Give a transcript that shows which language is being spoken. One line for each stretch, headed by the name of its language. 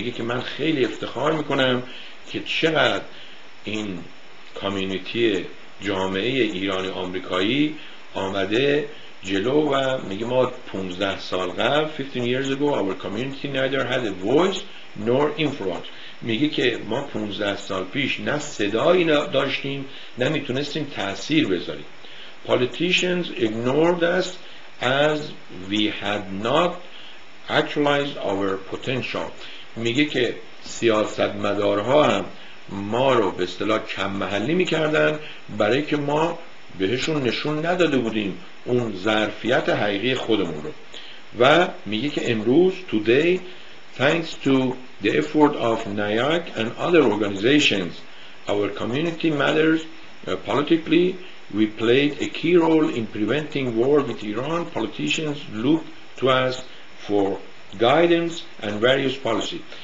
Persian: میگه که من خیلی افتخار میکنم که چقدر این کامیونیتی جامعه ایرانی آمریکایی آمده جلو، و میگه ما 15 سال قبل
English: 15 years ago our community neither had a voice nor influence.
Persian: میگه که ما 15 سال پیش نه صدایی داشتیم نه میتونستیم تأثیر بذاریم.
English: Politicians ignored us as we had not actualized our potential.
Persian: میگه که سیاستمدارها هم ما رو به اصطلاح کم محلی میکردن برای که ما بهشون نشون نداده بودیم اون ظرفیت حقیقی خودمون رو. و میگه که امروز
English: today thanks to the effort of NAIAC and other organizations our community matters politically, we played a key role in preventing war with Iran, politicians look to us for guidance and various policy.